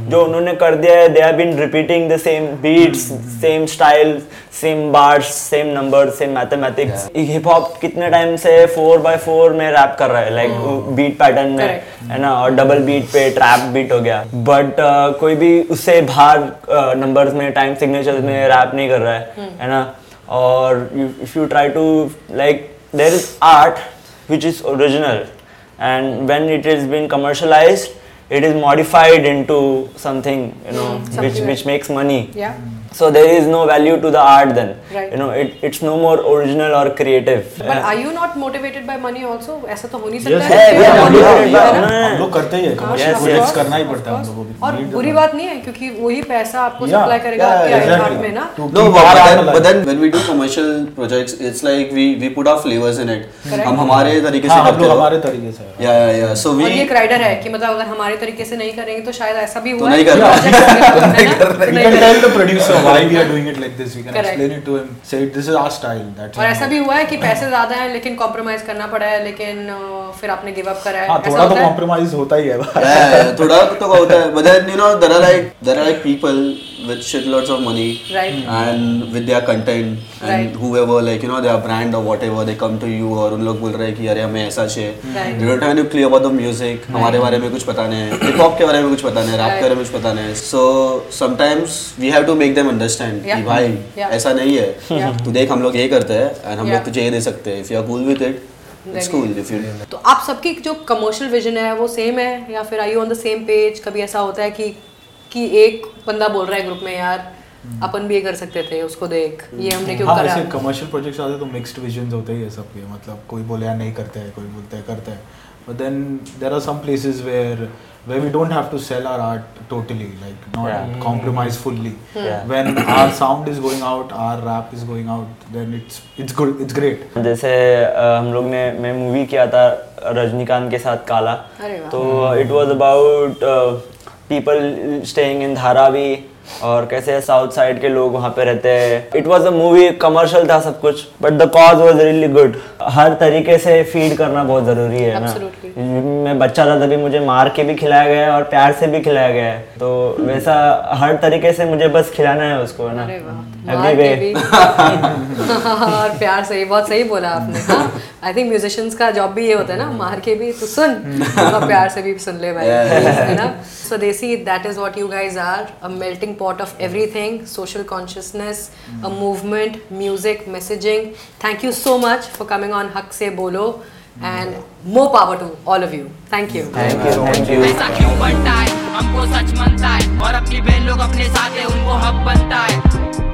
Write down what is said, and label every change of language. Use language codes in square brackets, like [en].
[hi] जो उन्होंने कर दिया है [en] They have been repeating the same beats, same style, same bars, same numbers, same mathematics. [hi] Hip hop कितने टाइम से 4x4 में रैप कर रहा है लाइक बीट पैटर्न में, है ना, और डबल बीट पे ट्रैप बीट हो गया, बट कोई भी उससे बाहर नंबर्स में टाइम सिग्नेचर्स में रैप नहीं कर रहा है ना. [en] और if you try to like there is art which is original and when it has been commercialized it is modified into something you know something which makes money yeah So there is no value to the art then. Right. You know, it's no more original or creative. But are you not motivated by money also? [hi] ऐसा तो हो नहीं सकता है. [en] Yes, we are motivated by money. [hi] हम लोग करते ही हैं commercial. Yes, करना ही पड़ता है हम लोगों को. और बुरी बात नहीं है क्योंकि वही पैसा आपको supply करेगा आपके art में ना. [en] No, but then when we do commercial projects, it's like we put our flavors in it. [hi] हम हमारे तरीके से करते हैं. हाँ, हम हमारे तरीके से. [en] Yeah, yeah, yeah. So we. [hi] और ये एक rider है कि मतलब अगर हमारे तरीके से नहीं करेंगे तो शायद ऐसा भी हुआ. नहीं कर रहा. नहीं कर रहा. [en] Why we are doing it like this? We can correct. Explain it to him. Say this is our style. That's. [hi] और ऐसा भी हुआ है कि पैसे ज़्यादा हैं लेकिन compromise करना पड़ा है लेकिन फिर आपने give up करा है. हाँ थोड़ा तो compromise होता ही है बाहर. हाँ थोड़ा तो होता है. [en] But then you know there are like people with shitloads of money. Right. And with their content and right. whoever like you know their brand or whatever they come to you [hi] और उन लोग बोल रहे हैं कि यार हमें ऐसा चाहिए. [en] Right. They don't have any clue about the music. [hi] हमारे बारे में कुछ पता नहीं है. Hip hop के बारे में कुछ पता नहीं है. Rap के बारे में कुछ पता नहीं है. [en] So sometimes we have to make them understand [hi] कि भाई ऐसा नहीं है. तू देख हम लोग ये करते हैं and हम लोग तुझे ये दे सकते हैं. [en] If you are cool with it. [hi] तो आप सबकी जो कमर्शियल विजन है वो सेम है या फिर [en] Are you on the same page? [hi] कभी ऐसा होता है कि एक बंदा बोल रहा है ग्रुप में यार अपन भी ये कर सकते थे उसको देख ये हमने क्यों करा? ऐसे कमर्शियल प्रोजेक्ट्स आते हैं तो मिक्स्ड विजन्स होते ही है सबके. मतलब कोई बोले यार नहीं करते है, कोई बोलता है करते है. [en] But then there are some places where we don't have to sell our art totally, like not compromise fully. Yeah. When our sound is going out, our rap is going out, then it's good, it's great. [hi] जैसे हम लोग ने मैं movie किया था रजनीकांत के साथ काला. तो [en] it was about people staying [hi] in Dharavi और कैसे south side के लोग वहाँ पे रहते हैं. [en] It was a movie, commercial [hi] था सब कुछ, [en] but the cause was really good. [hi] हर तरीके से feed करना बहुत ज़रूरी है ना. मैं बच्चा था तभी मुझे मार के भी खिलाया गया है और प्यार से भी खिलाया गया है. तो वैसा हर तरीके से मुझे बस खिलाना है उसको ना. अरे वाह, और प्यार से ही. बहुत सही बोला आपने. आई थिंक म्यूजिशियंस का जॉब भी ये होता है ना, मार के भी तो सुन और प्यार से भी सुन ले भाई. [en] Swadeshi, that is what you guys are, a melting pot of everything, social consciousness, a movement, music, messaging. Thank you so much for coming on Haq Se Bolo. And more power to all of you. Thank you. Thank you. Thank you. [hi] ऐसा क्यों बनता है? हमको सच मनता है और अपनी बहन लोग अपने साथ है उनको हक बनता है.